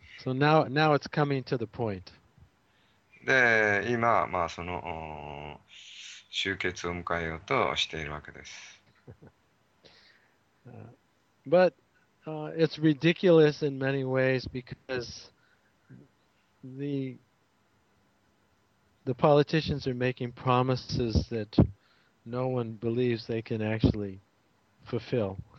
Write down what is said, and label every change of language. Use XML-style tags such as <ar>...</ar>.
<en>So now it's coming to the point.</en> <ja>で、今、まあ、その終結を迎えようとしているわけです。</ja> <en>But it's ridiculous in many ways because the politicians are making promises that no one believes they can actually fulfill.</en>